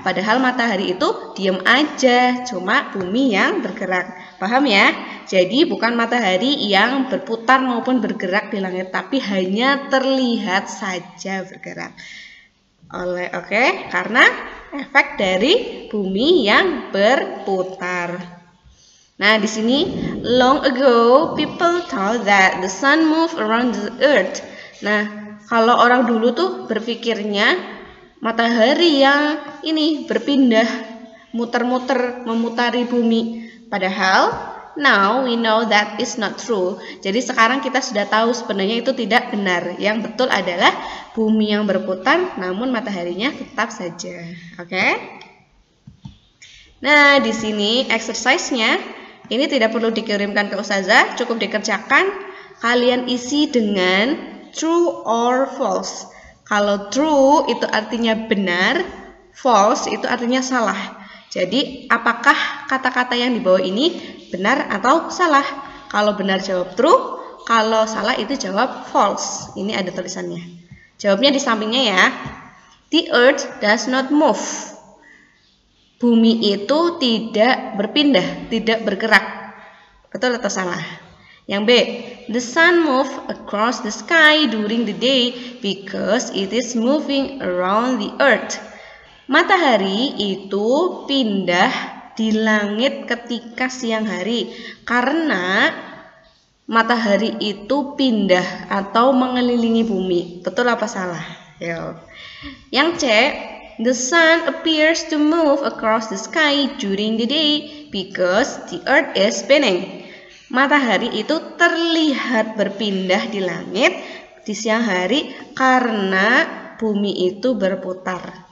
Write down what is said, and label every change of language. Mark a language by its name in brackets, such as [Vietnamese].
[Indonesian] Padahal matahari itu diem aja, cuma bumi yang bergerak. Paham ya? Jadi bukan matahari yang berputar maupun bergerak di langit, tapi hanya terlihat saja bergerak. Oleh, oke, karena efek dari bumi yang berputar. Nah, di sini, [English] long ago, people thought that the sun moved around the earth. [Indonesian] Nah, kalau orang dulu tuh berpikirnya matahari yang ini berpindah, muter-muter, memutari bumi. Padahal, [English] now we know that is not true. [Indonesian] Jadi sekarang kita sudah tahu sebenarnya itu tidak benar. Yang betul adalah bumi yang berputar, namun mataharinya tetap saja. Oke? Nah, di sini exercise-nya, ini tidak perlu dikirimkan ke ustazah, cukup dikerjakan. Kalian isi dengan [English] true or false. [Indonesian] Kalau true itu artinya benar, false itu artinya salah. Jadi, apakah kata-kata yang di bawah ini benar atau salah? Kalau benar jawab true, kalau salah itu jawab false. Ini ada tulisannya. Jawabnya di sampingnya ya. [English] The earth does not move. [Indonesian] Bumi itu tidak berpindah, tidak bergerak. Betul atau salah? Yang B, [English] the sun moves across the sky during the day because it is moving around the earth. [Indonesian] Matahari itu pindah di langit ketika siang hari karena matahari itu pindah atau mengelilingi bumi. Betul apa salah? Yang C, [English] the sun appears to move across the sky during the day because the earth is spinning. [Indonesian] Matahari itu terlihat berpindah di langit di siang hari karena bumi itu berputar.